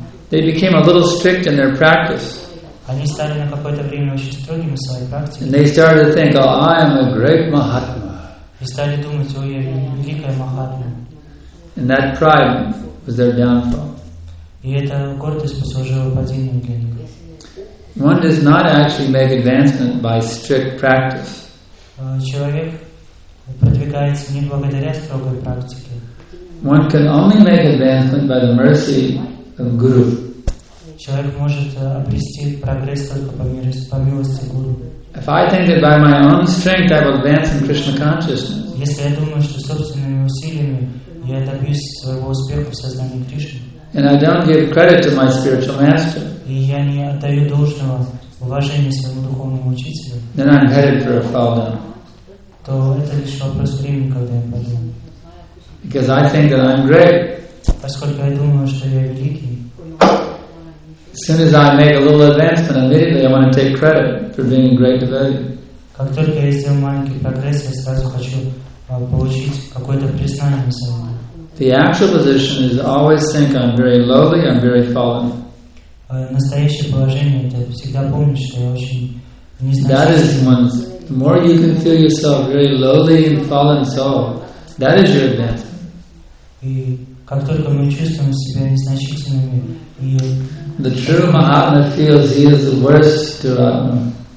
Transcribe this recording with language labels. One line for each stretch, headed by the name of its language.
English: They became a little strict in their practice.
Russian: Они стали на какое-то время очень строгими в своей практике.
English: And they started to think, oh, I am a great Mahatma.
Russian: И стали думать, ой, я великая Махатма.
English: And that pride was their downfall.
Russian: И эта гордость послужила падением для них.
English: One does not actually make advancement by strict practice.
Russian: Человек продвигается не благодаря строгой практике.
English: One can only make advancement by the mercy of Guru.
Russian: Человек может обрести прогресс только по милости Гуру.
English: If I think that by my own strength I will advance in Krishna consciousness.
Russian: Если я думаю, что собственными усилиями я добьюсь своего успеха в сознании Кришны.
English: And I don't give credit to my spiritual master.
Russian: И я не отдаю должного уважения своему духовному учителю.
English: Then I'm headed for a fall down.
Russian: То это лишь вопрос времени, когда я пойду.
English: Because I think that I'm great.
Russian: Поскольку я думаю, что я великий.
English: As soon as I make a little advancement, immediately I want to take credit for being a great devotee.
Russian: Как только я сделал маленький прогресс, я сразу хочу получить какое-то признание самого.
English: The actual position is always think I'm very lowly, I'm very fallen.
Russian: Настоящее положение это всегда помнить, что я очень низко.
English: That is one. The more you can feel yourself very lowly and fallen soul, that is your advancement.
Russian: И как только мы чувствуем себя незначительными, и
English: the true Mahatma feels he is the worst to Atma.